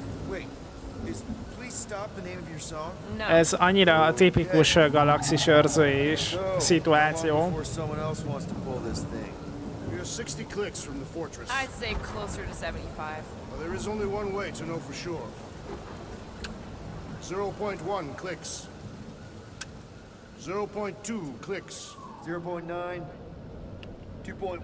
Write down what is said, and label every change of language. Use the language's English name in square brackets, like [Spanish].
[English] Wait, is please stop the name of your song? No. [Hungarian] Ez annyira a tipikus galaxis őrzői is szituáció. [English] How long before someone else wants to pull this thing? We are 60 clicks from the fortress. I'd say closer to 75. Well, there is only one way to know for sure. 0.1 clicks. 0.2 clicks. 0.9. 2.1